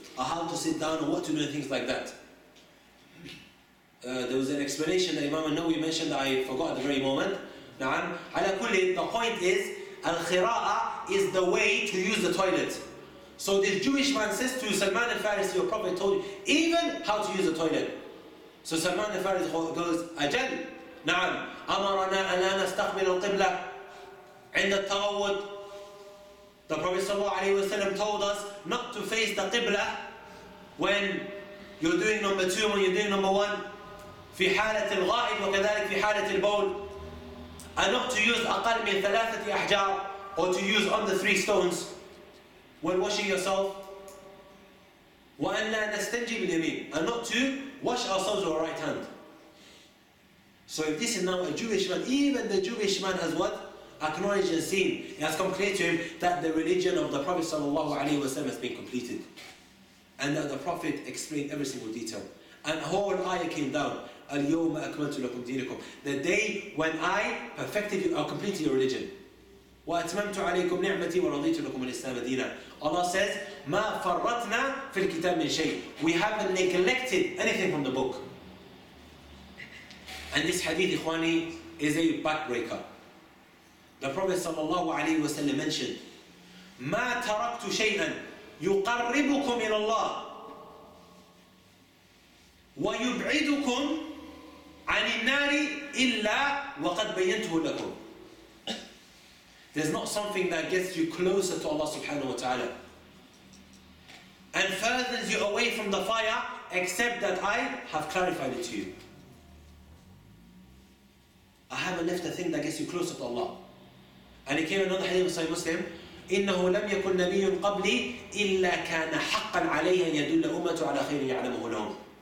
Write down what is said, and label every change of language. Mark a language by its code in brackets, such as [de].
[en] How to sit down or what to do and things like that. There was an explanation that Imam al-Nawawi mentioned that I forgot at the very moment. [ar] نعم. على كل, [en] the point is, Al-Khira'a is the way to use the toilet. So this Jewish man says to Salman al-Farisi, your Prophet told you, even how to use the toilet. So Salman al-Farisi goes, [ar] أجل, نعم, أمرنا أن لا نستقبل القبلة عند التغوّد. [en] The Prophet sallallahu alayhi wa sallam told us not to face the qibla when you're doing number two, when you're doing number one. [ar] في حالة الغائب وكذلك في حالة البول. [en] And not to use [ar] أقل من ثلاثة أحجار, [en] or to use under three stones when washing yourself. [ar] وأن لا نستنجي باليمين. [en] And not to wash ourselves with our right hand. So if this is now a Jewish man, even the Jewish man has what? Acknowledged and seen. It has come clear to him that the religion of the Prophet sallallahu alayhi wa sallam has been completed. And that the Prophet explained every single detail. And the whole ayah came down. [ar] اليوم أكملت لكم دينكم. [en] The day when I perfected you, or completed your religion. [ar] وأتممت عليكم نعمتي ورضيت لكم الإسلام دينا. [en] Allah says, [ar] ما فرطنا في الكتاب من شيء. [en] We haven't neglected anything from the book. And this hadith, إخواني, is a backbreaker. The Prophet [ar] صلى الله عليه وسلم mentioned, ما تركت شيئا يقربكم إلى الله ويبعدكم عن النار إلا وقد بينته لكم. [en] There's not something that gets you closer to Allah subhanahu wa ta'ala and furthers you away from the fire except that I have clarified it to you. I haven't left a thing that gets you closer to Allah. And it came another hadith of Sahih Muslim. [ar] إنه لم يكن نبي قبلي إلا كان حقا عليه أن يدل أمته على خير يعلمه لهم.